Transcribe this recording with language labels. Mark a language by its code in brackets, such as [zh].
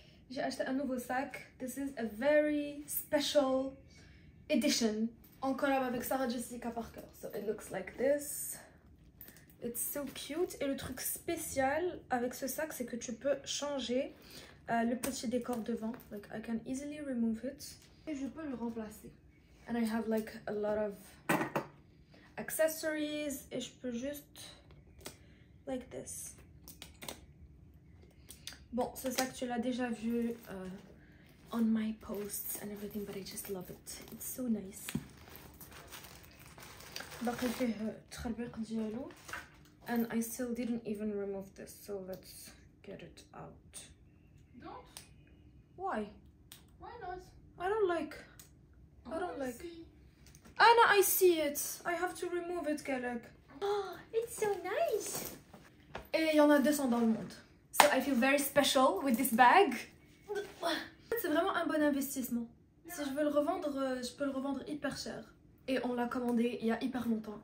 [fr] J'ai acheté un nouveau sac. [en] This is a very special edition. [fr] En collab avec [en] Sarah Jessica Parker. So it looks like this. It's so cute. [fr] Et le truc spécial avec ce sac, c'est que tu peux changer le petit décor devant. [en] Like I can easily remove it. [fr] Et je peux le remplacer. [en] And I have like a lot of accessories. [fr] Et je peux juste [en] like this. [fr] Bon, ce sac tu l'as déjà vu [en] on my posts and everything, but I just love it. It's so nice. [fr] Donc il fait trabir diallo. [en] And I still didn't even remove this, so let's get it out. Don't. Why? Why not? I don't like. I don't like. Anna, I see it. I have to remove it, Galak. Oh, it's so nice. [fr] Et il y en a 200 dans le monde. [en] So I feel very special with this bag. [fr] C'est vraiment un bon investissement. Si je veux le revendre, je peux le revendre hyper cher. Et on l'a commandé il y a hyper longtemps.